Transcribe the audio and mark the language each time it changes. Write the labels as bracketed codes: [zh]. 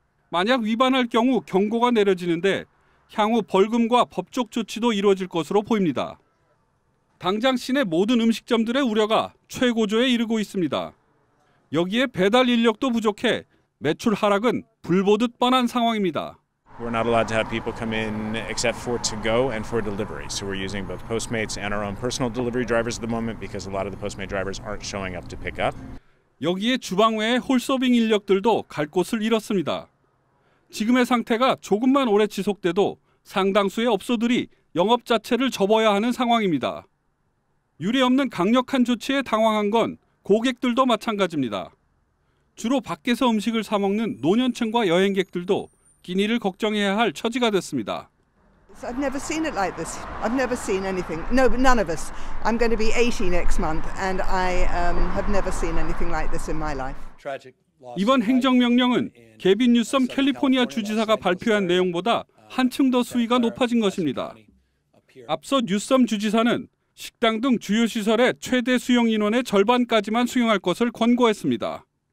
[ko] 만약 위반할 경우 경고가 내려지는데 향후 벌금과 법적 조치도 이루어질 것으로 보입니다. 당장 시내 모든 음식점들의 우려가 최고조에 이르고 있습니다. 여기에 배달 인력도 부족해 매출 하락은 불보듯 뻔한 상황입니다. [en] We're not allowed to have people come in except for to go and for delivery. So we're using both Postmates and our own personal delivery drivers at the moment because a lot of the Postmate drivers aren't showing up to pick up. [ko] 여기에 주방 외의 홀서빙 인력들도 갈 곳을 잃었습니다. 지금의 상태가 조금만 오래 지속돼도 상당수의 업소들이 영업 자체를 접어야 하는 상황입니다. 유례 없는 강력한 조치에 당황한 건 고객들도 마찬가지입니다. 주로 밖에서 음식을 사 먹는 노년층과 여행객들도 끼니를 걱정해야 할 처지가 됐습니다. [en] I've never seen it like this. I've never seen anything. No, but none of us. I'm going to be 80 next month and I have never seen anything like this in my life. [ko] 이번 행정명령은 개빈 뉴섬 캘리포니아 주지사가 발표한 내용보다 한층 더 수위가 높아진 것입니다. 앞서 뉴섬 주지사는 식당 등 주요 시설의 최대 수용 인원의 절반까지만 수용할 것을 권고했습니다.